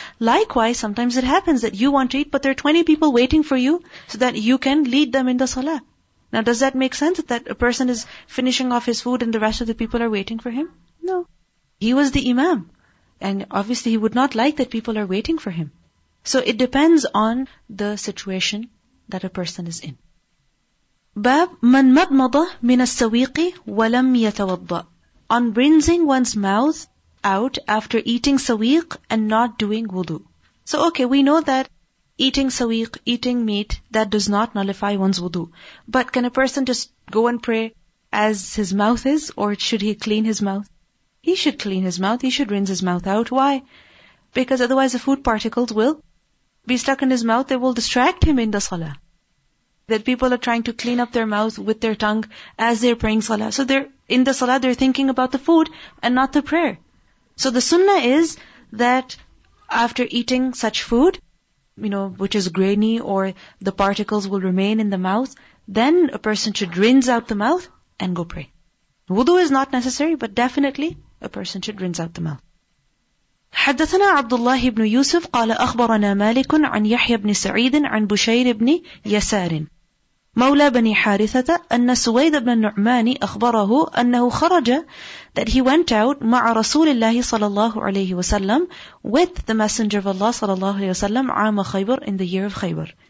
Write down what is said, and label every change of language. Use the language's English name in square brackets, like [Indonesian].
[English] Likewise, sometimes it happens that you want to eat, but there are 20 people waiting for you so that you can lead them in the salah. Now, does that make sense that a person is finishing off his food and the rest of the people are waiting for him? No. He was the imam. And obviously, he would not like that people are waiting for him. So it depends on the situation that a person is in. [Arabic] باب من مضمض من السويق ولم يتوضأ. [English] On rinsing one's mouth out after eating sawiq and not doing wudu. So okay, we know that eating sawiq, eating meat, that does not nullify one's wudu. But can a person just go and pray as his mouth is, or should he clean his mouth? He should clean his mouth, he should rinse his mouth out. Why? Because otherwise the food particles will be stuck in his mouth, they will distract him in the salah. That people are trying to clean up their mouth with their tongue as they're praying salah. So they're in the salah, they're thinking about the food and not the prayer. So the sunnah is that after eating such food, you know, which is grainy or the particles will remain in the mouth, then a person should rinse out the mouth and go pray. Wudu is not necessary, but definitely a person should rinse out the mouth. [Arabic] حدثنا عبد الله بن يوسف قال أخبرنا مالك عن يحيى بن سعيد عن بشير بن يسار مولى بن حارثة أن سويد بن النعمان أخبره أنه خرج [English] that he went out [Arabic] مع رسول الله صلى الله عليه وسلم [English] with the messenger of Allah [Arabic] صلى الله عليه وسلم عام خيبر [English] in the year of [Arabic] خيبر.